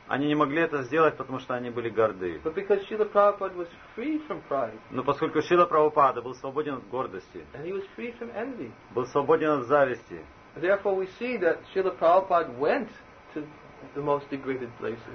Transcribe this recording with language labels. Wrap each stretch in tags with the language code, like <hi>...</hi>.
<ru>Они не могли это сделать, потому что они были горды.</ru> <en>But because Srila Prabhupada was free from pride.</en> <ru>Но поскольку Шрила Прабхупада был свободен от гордости.</ru> <en>And he was free from envy.</en> <ru>Был свободен от зависти.</ru> <en>Therefore we see that Srila Prabhupada went to the most degraded places.</en>